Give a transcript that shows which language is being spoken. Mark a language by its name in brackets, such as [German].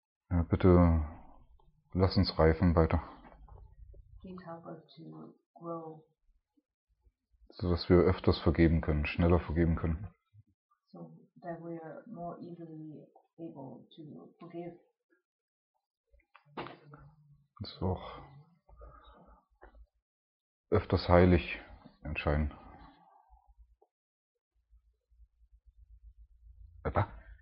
[German] Ja, bitte lass uns reifen weiter. [English] Please help us to grow. [German] So dass wir öfters vergeben können, schneller vergeben können. [English] So that we are more easily able to forgive. [German] Uns auch öfters heilig entscheiden. Epa.